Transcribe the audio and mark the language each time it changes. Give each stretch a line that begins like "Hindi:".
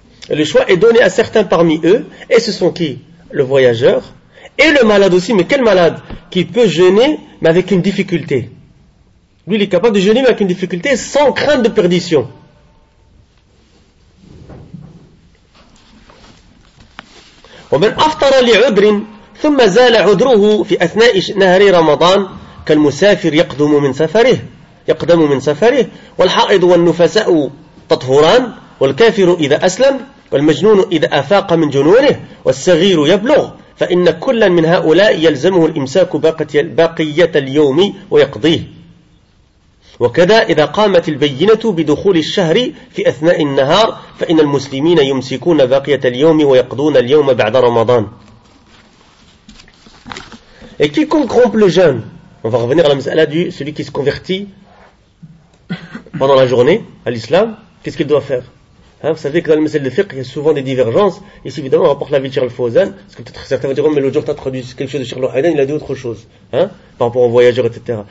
French: Et le choix est donné à certains parmi eux, et ce sont qui? Le voyageur, et le malade aussi. Mais quel malade? Qui peut jeûner, mais avec une difficulté. Lui, il est capable de jeûner, mais avec une difficulté, sans crainte de perdition.
Arabic: ومن أفطر لعذر ثم زال عذره في أثناء نهر رمضان كالمسافر يقدم من سفره والحائض والنفساء تطهران والكافر إذا أسلم والمجنون إذا أفاق من جنونه والصغير يبلغ فإن كلا من هؤلاء يلزمه الإمساك باقية اليوم ويقضيه وكذا إذا قامت البينة بدخول الشهر في أثناء النهار فإن المسلمين يمسكون باقية اليوم ويقضون اليوم بعد رمضان.
French: Et quiconque rompt le jeûne, on va revenir à la mesela du celui qui se convertit pendant la journée à l'islam, qu'est-ce qu'il doit faire? Vous savez que dans le mesela de fiqh, il y a souvent des divergences. Ici, évidemment, on rapporte la vie de Cheikh Al-Fawzan, parce que peut-être certains vont dire, mais l'autre jour, tu as traduit quelque chose de Cheikh Al-Haydan, il a dit autre chose, par rapport aux voyageurs, etc.